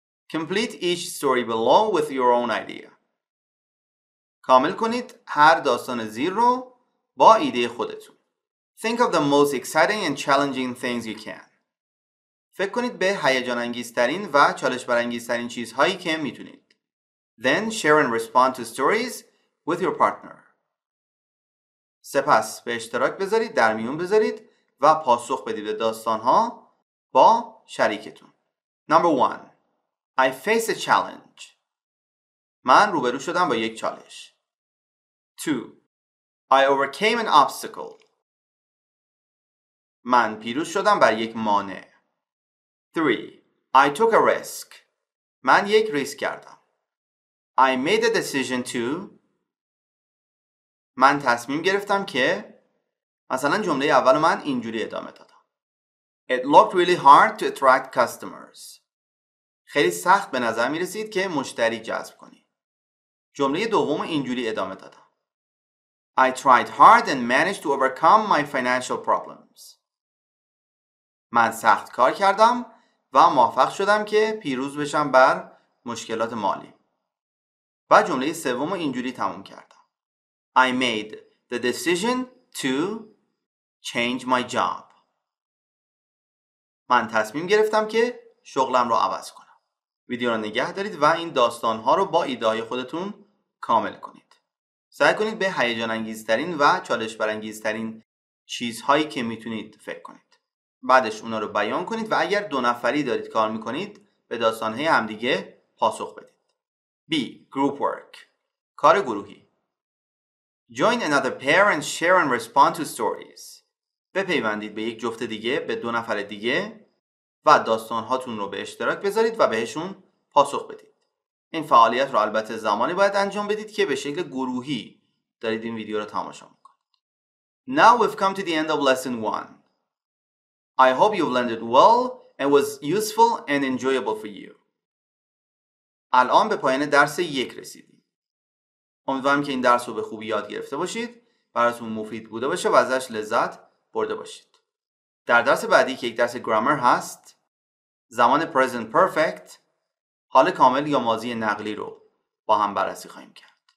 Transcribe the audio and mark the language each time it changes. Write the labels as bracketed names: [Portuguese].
[English] Complete each story below with your own idea. [Persian] کامل کنید هر داستان زیر رو با ایده خودتون. [English] Think of the most exciting and challenging things you can. [Persian] فکر کنید به هیجان انگیزترین و چالش برانگیزترین چیزهایی که میتونید. [English] Then share and respond to stories with your partner. [Persian] سپس به اشتراک بذارید، در میون بذارید و پاسخ بدید به داستان‌ها با شریکتون. [English] Number 1. I face a challenge. [Persian] من روبرو شدم با یک چالش. 2. [English] I overcame an obstacle. [Persian] من پیروز شدم بر یک مانع. 3. [English] I took a risk. [Persian] من یک ریسک کردم. [English] I made a decision to. [Persian] من تصمیم گرفتم که. مثلا جمله اول من اینجوری ادامه دادم. [English] It looked really hard to attract customers. [Persian] خیلی سخت به نظر می رسید که مشتری جذب کنی. جمله دوم اینجوری ادامه دادم. [English] I tried hard and managed to overcome my financial problems. [Persian] من سخت کار کردم و موفق شدم که پیروز بشم بر مشکلات مالی. و جمله سومو اینجوری تموم کردم. [English] I made the decision to change my job. [Persian] من تصمیم گرفتم که شغلم رو عوض کنم. ویدیو رو نگه دارید و این داستان‌ها رو با ایده‌های خودتون کامل کنید. سعی کنید به هیجان انگیزترین و چالش برانگیزترین چیزهایی که میتونید فکر کنید. بعدش اونا رو بیان کنید و اگر دو نفری دارید کار میکنید به داستانهای همدیگه پاسخ بدید. [English] B. Group work. [Persian] کار گروهی. [English] Join another pair and share and respond to stories. [Persian] بپیوندید به یک جفت دیگه، به دو نفر دیگه و داستانهاتون رو به اشتراک بذارید و بهشون پاسخ بدید. این فعالیت رو البته زمانی باید انجام بدید که به شکل گروهی دارید این ویدیو رو تماشا میکنید. [English] Now we've come to the end of lesson 1. I hope you've learned it well and was useful and enjoyable for you. [Persian] الان به پایان درس 1 رسیدیم. امیدوارم که این درس رو به خوبی یاد گرفته باشید، براتون مفید بوده باشه و ازش لذت برده باشید. در درس بعدی که یک درس گرامر هست، زمان پرزنت پرفکت، حال کامل یا ماضی نقلی رو با هم بررسی خواهیم کرد.